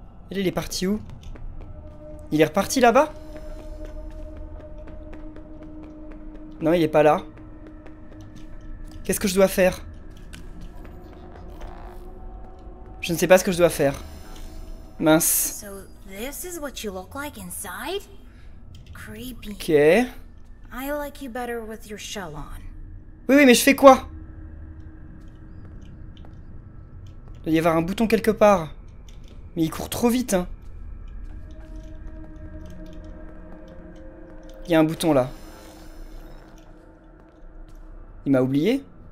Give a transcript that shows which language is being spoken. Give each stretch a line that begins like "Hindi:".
French: Il est parti où? Il est reparti là-bas? Non, il est pas là. Qu'est-ce que je dois faire? Je ne sais pas ce que je dois faire. Mince.
English: So this is what you look like inside? Creepy. Ok. I like you better with your shell on.
French: Oui, oui, mais je fais quoi? Il doit y avoir un bouton quelque part. Mais il court trop vite, hein. Il y a un bouton là. Il m'a oublié?